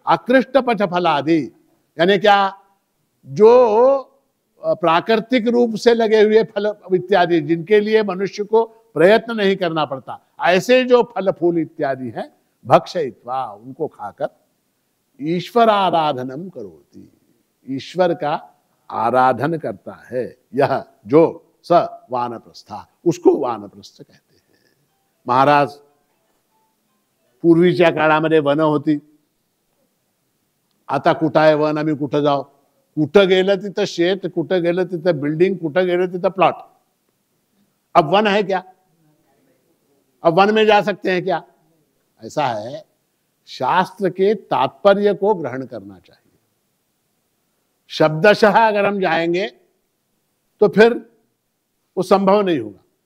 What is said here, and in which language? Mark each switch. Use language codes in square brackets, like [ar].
[sa] अकृष्ट पच फलादि [hi] यानी क्या, जो प्राकृतिक रूप से लगे हुए फल इत्यादि जिनके लिए मनुष्य को प्रयत्न नहीं करना पड़ता, ऐसे जो फल फूल इत्यादि हैं भक्षयित्वा उनको खाकर [sa] ईश्वर आराधनम करोति, [hi] ईश्वर का आराधन करता है यह जो स वानप्रस्थ, उसको वानप्रस्थ कहते हैं। [mr] महाराज पूर्वीच्या काळात मध्ये वन होती, आता कुठाय वन, आम्ही कुठे जाओ, कुठं गेलं तिथं शेत, कुठं गेलं तिथं बिल्डिंग, कुठं गेलं तिथं प्लॉट। [hi] अब वन है क्या? अब वन में जा सकते हैं क्या? ऐसा है, शास्त्र के तात्पर्य को ग्रहण करना चाहिए। शब्दशः अगर हम जाएंगे तो फिर वो संभव नहीं होगा।